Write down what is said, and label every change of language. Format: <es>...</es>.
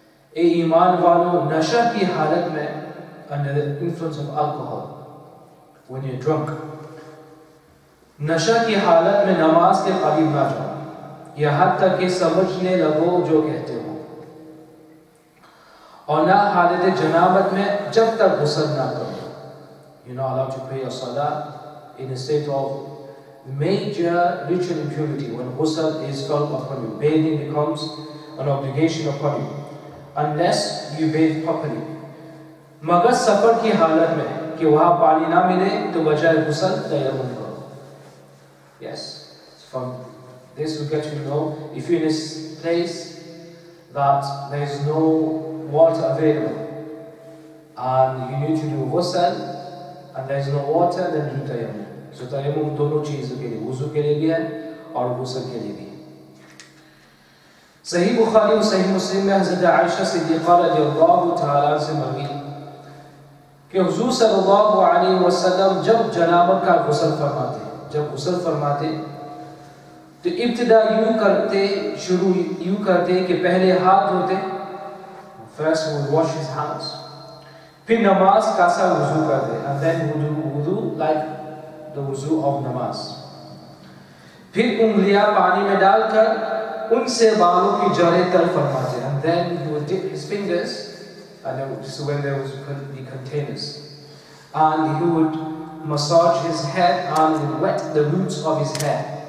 <ur>اے ایمان والو، نشہ کی حالت میں،</ur> <en>under the influence of alcohol, when you're drunk،</en> <ur>نشہ کی حالت میں نماز کے قریب نہ جاؤ، یا حتیٰ کہ سمجھنے لگو جو کہتے ہو، اور نہ حالت جنابت میں جب تک غسل نہ کرو.</ur> <en>You're not allowed to pray your salah in a state of major ritual impurity, when ghusl is felt upon you, bathing becomes an obligation upon you, unless you bathe properly.</en> <ur>مگر سفر کی حالت میں کہ وہاں پانی نہ ملے تو بجائے غسل تیمم کرو.</ur> <en>Yes, from this we get to know, if you're in this place that there is no water available and you need to do ghusl and there is no water, then do tayammum.</en> <ur>So تیمم دونوں چیزوں کے لیے، وضو کے لیے بھی ہے اور غسل کے لیے بھی. صحیح بخاری و صحیح مسلم میں حضرت عائشہ صدیقہ رضی اللہ تعالیٰ سے مروی کہ حضور صلی اللہ علیہ وسلم جب جنابت کا غسل فرماتے، جب غسل فرماتے تو ابتدا یوں کرتے، شروع یوں کرتے کہ پہلے ہاتھ دھوتے،</ur> <en>first would wash his hands،</en> <ur>پھر نماز کا سا وضو کرتے، and then وضو like the وضو of نماز، پھر انگلیاں پانی میں ڈال کر ان سے بالوں کی جڑے تر فرماتے.</ur> <en>And then he would dip his fingers, and then this is when there was the containers, and he would massage his head and wet the roots of his hair.</en>